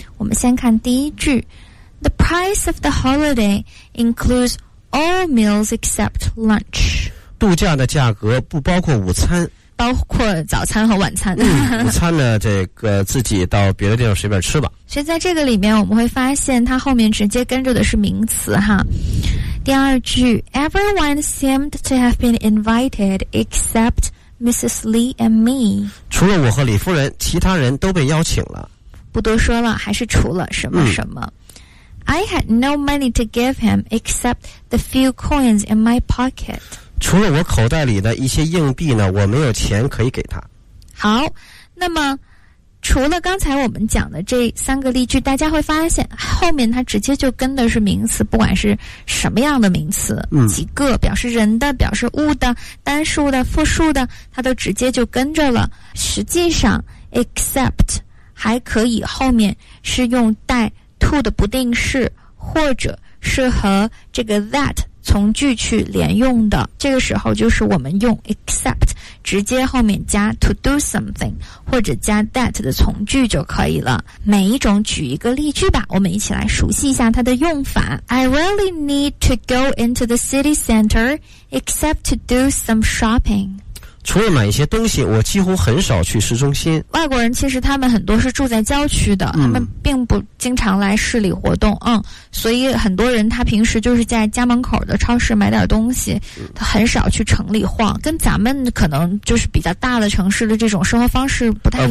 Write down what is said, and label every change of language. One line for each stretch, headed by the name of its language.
English: 我们先看第一句， The price of the holiday includes all meals except lunch。
Chinese: 度假的价格不包括午餐，包括早餐和晚餐、午餐呢这个自己到别的地方随便吃吧。所以在这个里面我们会发现它后面直接跟着的是名词哈。
English: 第二句， Everyone seemed to have been invited except Mrs. Lee and me。
Chinese: 除了我和李夫人其他人都被邀请了，
English: 不多说了，还是除了什么什么、 I had no money to give him except the few coins in my pocket。
Chinese: 除了我口袋里的一些硬币呢，我没有钱可以给他。好，那么除了刚才我们讲的这三个例句，大家会发现后面它直接就跟的是名词，不管是什么样的名词、几个表示人的、表示物的、单数的、复数的，它都直接就跟着了。实际上 except 还可以后面是用带to 的不定式，或者是和这个 that 从句去连用的，这个时候就是我们用 except 直接后面加 to do something 或者加 that 的从句就可以了。每一种举一个例句吧，我们一起来熟悉一下它的用法。
English: I really need to go into the city center except to do some shopping。
Chinese: 除了买一些东西，我几乎很少去市中心。外国人其实他们很多是住在郊区的、他们并不经常来市里活动，所以很多人他平时就是在家门口的超市买点东西，他很少去城里晃，跟咱们可能就是比较大的城市的这种生活方式不太一样。